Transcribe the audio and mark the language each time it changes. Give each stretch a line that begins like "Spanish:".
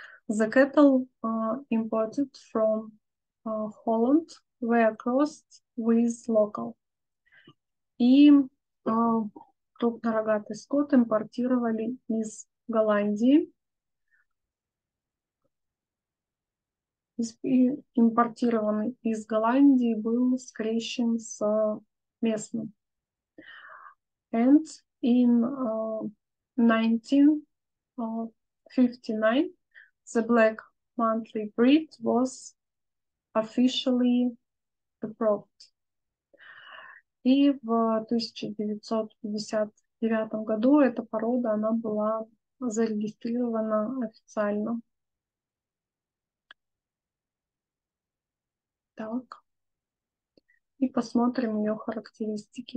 English: The cattle imported from Holland were crossed with local.
Russian: И крупнорогатый скот импортировали из Голландии. Импортированный из Голландии был скрещен с местным.
English: And in 1959 the Black Monthly breed was officially approved.
Russian: И в 1959 году эта порода она была зарегистрирована официально. Так. И посмотрим ее характеристики.